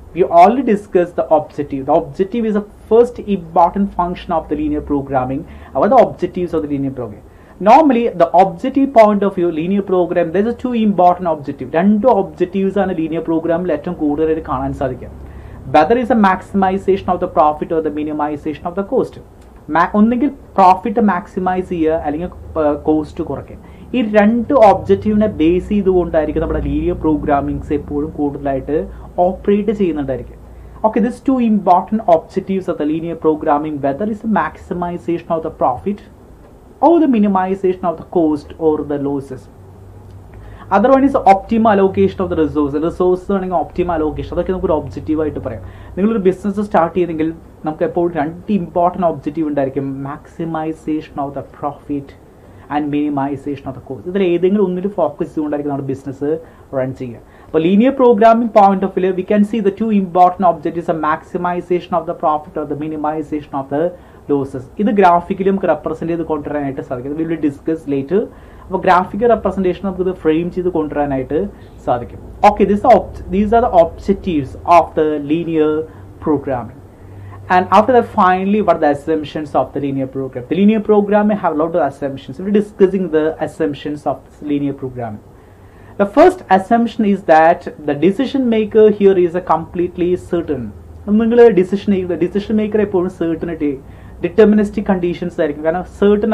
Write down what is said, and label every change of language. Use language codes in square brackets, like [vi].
[en] We already discussed the objective. The objective is the first important function of the linear programming. What are the objectives of the linear programming? Normally, the objective point of view, linear program, there's a two important objective. Two objectives on a linear program, let them go to the comments again. Whether it's a maximization of the profit or the minimization of the cost. [ml] ഒന്നെങ്കിൽ profit maximise ചെയ്യുക അല്ലെങ്കിൽ cost കുറയ്ക്കുക, ഈ രണ്ട് ഒബ്ജക്റ്റീവിനെ base ചെയ്തുകൊണ്ടായിരിക്കും നമ്മുടെ linear പ്രോഗ്രാമിങ്സ് എപ്പോഴും കൂടുതലായിട്ട് operate ചെയ്യുന്നുണ്ടായിരിക്കും. [en] Okay, this two important objectives of the linear programming, whether is the maximisation of the profit or the minimisation of the cost or the losses. Otherwise optimal allocation of the resource, resource [ml] വേണമെങ്കിൽ [en] optimal allocation, [ml] അതൊക്കെ നമുക്കൊരു objective ആയിട്ട് പറയാം. നിങ്ങളൊരു business start ചെയ്തെങ്കിൽ നമുക്ക് എപ്പോഴും രണ്ട് ഇമ്പോർട്ടൻ്റ് ഒബ്ജക്റ്റീവ് ഉണ്ടായിരിക്കും, [en] Maximisation of the profit and minimisation of the cost. [ml] ഇതിൽ ഏതെങ്കിലും ഒന്നിൽ ഫോക്കസ് ചെയ്തുകൊണ്ടായിരിക്കും നമ്മുടെ ബിസിനസ് റൺ ചെയ്യുക. [en] അപ്പോൾ linear programming point of view, we can see the two important objectives ah maximisation of the profit or the minimisation of the losses. [ml] ഇത് graphically നമുക്ക് represent ചെയ്ത് കൊണ്ടുവരാനായിട്ട് സാധിക്കും, [en] We will discuss late. [ml] അപ്പോൾ ഗ്രാഫിക്കൽ റെപ്രസെൻറ്റേഷൻ നമുക്കിത് ഫ്രെയിം ചെയ്ത് കൊണ്ടുവരാനായിട്ട് സാധിക്കും. [en] Okay, these are the objectives of the linear programming. And after that, finally, what are the assumptions of the linear program? The linear program may have a lot of assumptions. We're discussing the assumptions of this linear program. The first assumption is that the decision maker here is a completely certain. The decision maker is a certainty. Deterministic conditions are certain.